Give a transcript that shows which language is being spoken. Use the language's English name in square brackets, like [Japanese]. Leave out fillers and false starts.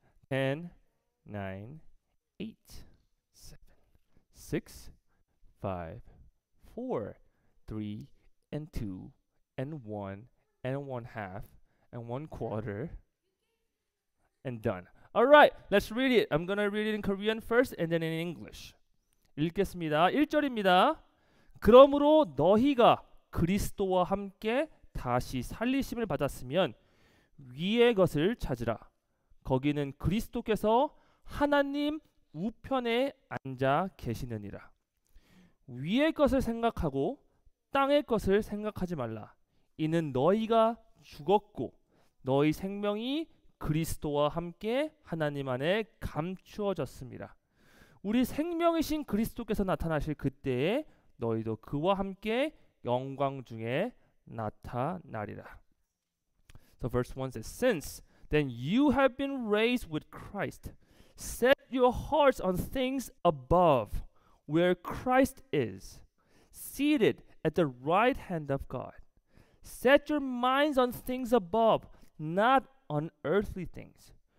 [English] 10, 9, 8, 7, 6, 5, 4, 3, and 2, and 1, and 1 half, and 1 quarter, and done. Alright, let's read it. I'm gonna read it in Korean first and then in English. [Korean] 읽겠습니다. 1절입니다. 그러므로 너희가 그리스도와 함께 다시 살리심을 받았으면 위의 것을 찾으라. 거기는 그리스도께서 하나님 우편에 앉아 계시느니라. 위의 것을 생각하고 땅의 것을 생각하지 말라. 이는 너희가 죽었고 너희 생명이 그리스도와 함께 하나님 안에 감추어졌습니다. 우리 생명이신 그리스도께서 나타나실 그때에 너희도 그와 함께 영광 중에 나타나리라. [English] So verse 1 says, Since then you have been raised with Christ, set your hearts on things above, where Christ is, seated at the right hand of God. Set your minds on things above, not on earthly things.